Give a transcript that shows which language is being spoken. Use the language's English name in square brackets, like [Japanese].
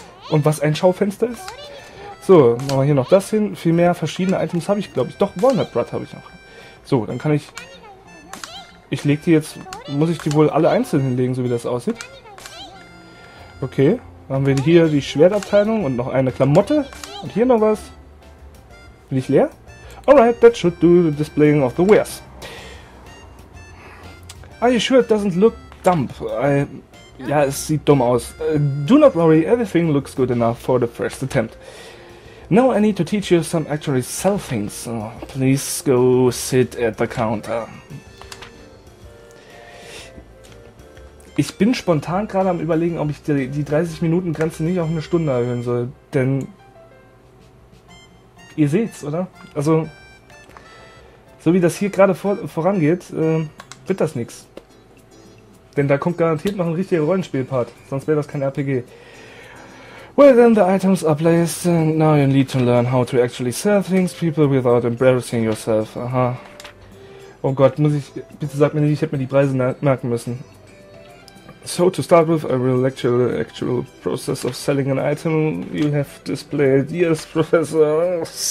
[German] Und was ein Schaufenster ist? So, machen wir hier noch das hin. Viel mehr verschiedene Items habe ich, glaube ich. Doch, Walnut Brot habe ich noch. So, dann kann ich... Ich lege die jetzt... Muss ich die wohl alle einzeln hinlegen, so wie das aussieht? Okay. Dann haben wir hier die Schwertabteilung und noch eine Klamotte. Und hier noch was. Bin ich leer? [English] Alright, that should do the displaying of the wares. Are you sure it doesn't look dumb? [German] Ja, es sieht dumm aus. [English] Do not worry, everything looks good enough for the first attempt. Now I need to teach you some actually sell things. So please go sit at the counter. [German] Ich bin spontan gerade am überlegen, ob ich die 30-Minuten-Grenze nicht auf eine Stunde erhöhen soll, denn... Ihr seht's, oder? Also, so wie das hier gerade vorangeht, wird das nix. Denn da kommt garantiert noch ein richtiger Rollenspielpart, sonst wäre das kein RPG. [English] Well then, the items are placed, and now you need to learn how to actually sell things people without embarrassing yourself. [German] Aha. Oh Gott, muss ich... Bitte sag mir nicht, ich hätte mir die Preise merken müssen. [English] So to start with, I will lecture the actual process of selling an item you have displayed. Yes, Professor.